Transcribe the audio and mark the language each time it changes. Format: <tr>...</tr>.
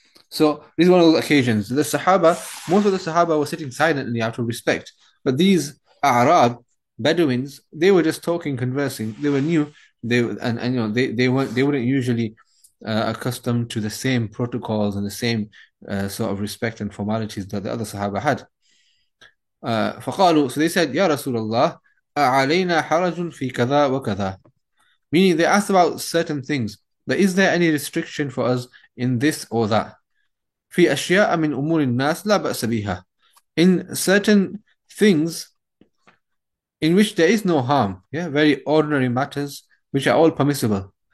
<en>So this is one of those occasions. The Sahaba, most of the Sahaba were sitting silently out of respect. But these Arab Bedouins, they were just talking, conversing. They were new. They weren't usually accustomed to the same protocols and the same sort of respect and formalities that the other Sahaba had.</en> <ar>فقالوا,</ar> <en>so they said, Ya Rasulullah,</en> <ar>أَعَلَيْنَا حَرَجٌ فِي كَذَا وَكَذَا.</ar> <en>Meaning they asked about certain things, but is there any restriction for us in this or that?</en> <ar>فِي أَشْيَاءَ مِنْ أُمُورِ النَّاسِ لَا بَأْسَ بِهَا.</ar> <en>In certain things in which there is no harm, yeah, very ordinary matters which are all permissible.</en>